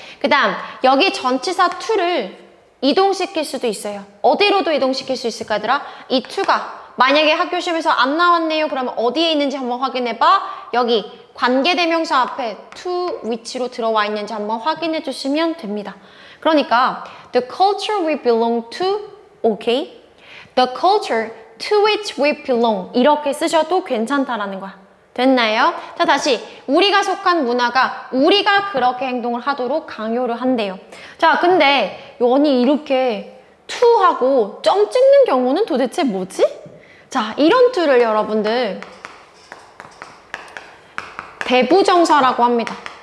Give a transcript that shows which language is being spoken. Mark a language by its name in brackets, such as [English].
[Korean] 그 다음 여기 전치사 to를 이동시킬 수도 있어요. 어디로도 이동시킬 수 있을까 하더라? 이 to가 만약에 학교 시험에서 안 나왔네요. 그러면 어디에 있는지 한번 확인해 봐. 여기 관계대명사 앞에 to which로 들어와 있는지 한번 확인해 주시면 됩니다. [English] 그러니까 the culture we belong to, okay. The culture to which we belong. [Korean] 이렇게 쓰셔도 괜찮다라는 거야. 됐나요? 자, 다시. 우리가 속한 문화가 우리가 그렇게 행동을 하도록 강요를 한대요. 자, 근데 원이 이렇게 to 하고 점 찍는 경우는 도대체 뭐지? 자, 이런 to를 여러분들 대부정사라고 합니다.